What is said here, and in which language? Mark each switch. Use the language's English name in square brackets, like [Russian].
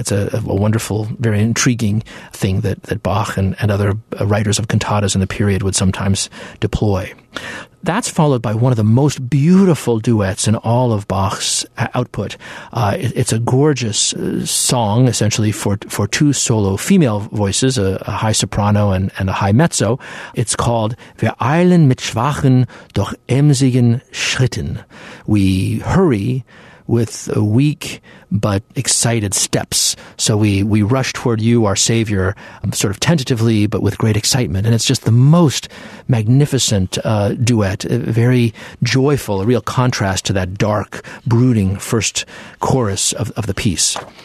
[English] It's a wonderful, very intriguing thing that Bach and other writers of cantatas in the period would sometimes deploy. That's followed by one of the most beautiful duets in all of Bach's output. It's a gorgeous song, essentially, for two solo female voices, a high soprano and a high mezzo. It's called [German] Wir eilen mit schwachen, doch emsigen Schritten. [English] We hurry with a weak but excited steps. So we rush toward you, our Savior, sort of tentatively, but with great excitement. And it's just the most magnificent duet, very joyful, a real contrast to that dark, brooding first chorus of the piece.